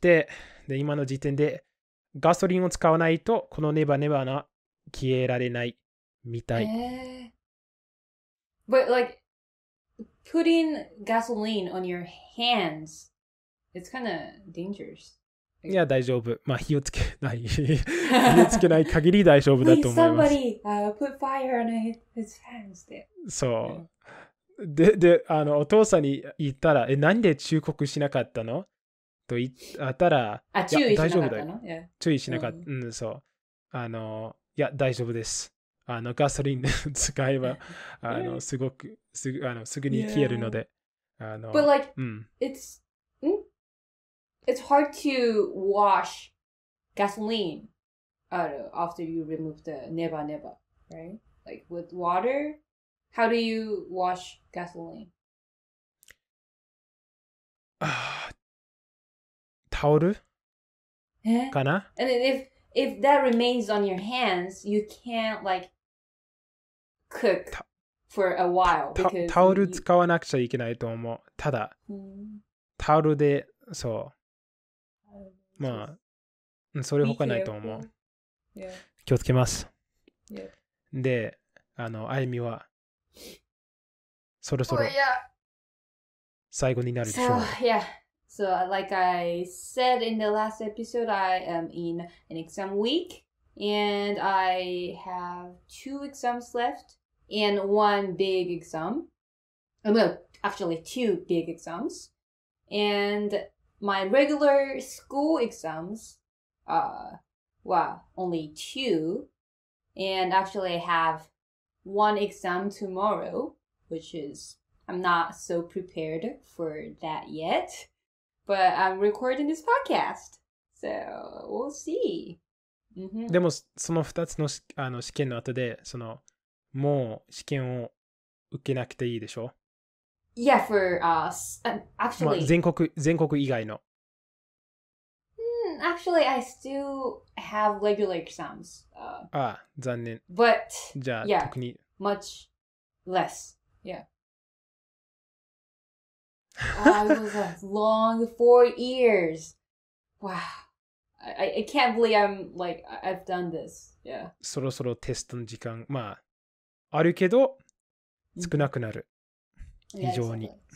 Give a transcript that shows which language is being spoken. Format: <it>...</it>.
<ja>ビニールハウスのなんていうか扉の下にあるちょっと隙間があった。で、その隙間がすごくめんどくさかったので、まあ風が入れるんだから。それで、あの、ガップフィルターという、なんかフォームみたいなものを使わなくちゃいけなかった。使わなくちゃいけなかったけど、あの、手に、あの、汚れてはいけないということを知らなかったので、あの、全然気をつけなくて、で、今の時点で、 ガソリンを使わないとこのネバネバが消えられないみたい。</ja> <en>But like putting gasoline on your hands, it's kind of dangerous.</en> <ja>いや、大丈夫。まあ、火をつけない限り大丈夫だと思います。</ja> <en>Please somebody put fire on his hands.</en> <ja>そう。で、あの、お父さんに言ったら、え、なんで忠告しなかったの? と言ったら、注意しなかった。注意しなかった。うん、そう。あの、いや、大丈夫です。あの、ガソリン使えば、あの、すごく、すぐ、あの、すぐに消えるので。あの、</ja> <en>But like, it's hard to wash gasoline out after you remove the neva neva, right? Like, with water? How do you wash gasoline?</en> <ja>タオルかな?</ja> <en>And if that remains on your hands, you can't like cook for a while.</en> <ja>タオル使わなくちゃいけないと思う。ただ、タオルで、そう。まあ、それ他ないと思う。気をつけます。で、あの、あゆみは、そろそろ、最後になるでしょう。そう、いや。</ja> <en>So like I said in the last episode, I am in an exam week and I have two exams left and one big exam. Well, actually two big exams. And my regular school exams only two. And actually I have one exam tomorrow, which is I'm not so prepared for that yet. But I'm recording this podcast, so we'll see.</en> <ja>でもその2つの試験の後で、そのもう試験を受けなくていいでしょ?</ja> <en>Yeah, for us. Actually,</en> <ja>全国以外の。</ja> <en>Actually, I still have regular exams.</en> <ja>ああ、残念。</ja> <en>But,</en> <ja>じゃあ、特に…</ja> <en>yeah, much less. Yeah. It was a long 4 years. Wow. I can't believe I'm like I've done this. Yeah.</en> <ja>そろそろテストの時間、まあ、あるけど、少なくなる。非常に。</ja>